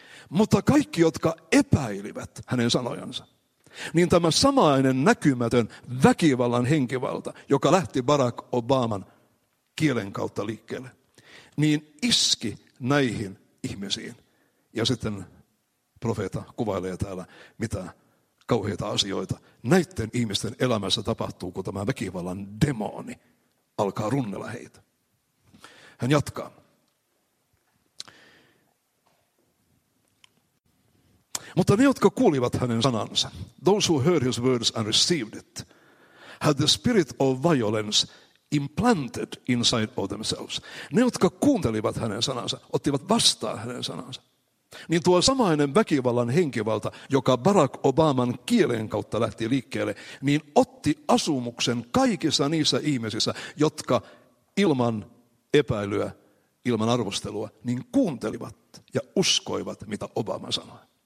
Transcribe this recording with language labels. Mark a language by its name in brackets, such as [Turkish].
[Finnish] Mutta kaikki, jotka epäilivät hänen sanojansa, niin tämä samainen näkymätön väkivallan henkivalta, joka lähti Barack Obaman kielen kautta liikkeelle, niin iski näihin ihmisiin. Ja sitten profeetta kuvailee täällä, mitä kauheita asioita näiden ihmisten elämässä tapahtuu, kun tämä väkivallan demoni alkaa runnella heitä. Hän jatkaa. Mutta ne, jotka kuulivat hänen sanansa, [English] those who heard his words and received it, had the spirit of violence implanted inside of themselves. [Finnish] Ne, jotka kuuntelivat hänen sanansa, ottivat vastaan hänen sanansa. Niin tuo samainen väkivallan henkivalta, joka Barack Obaman kielen kautta lähti liikkeelle, niin otti asumuksen kaikissa niissä ihmisissä, jotka ilman epäilyä, ilman arvostelua, niin kuuntelivat ja uskoivat, mitä Obama sanoi.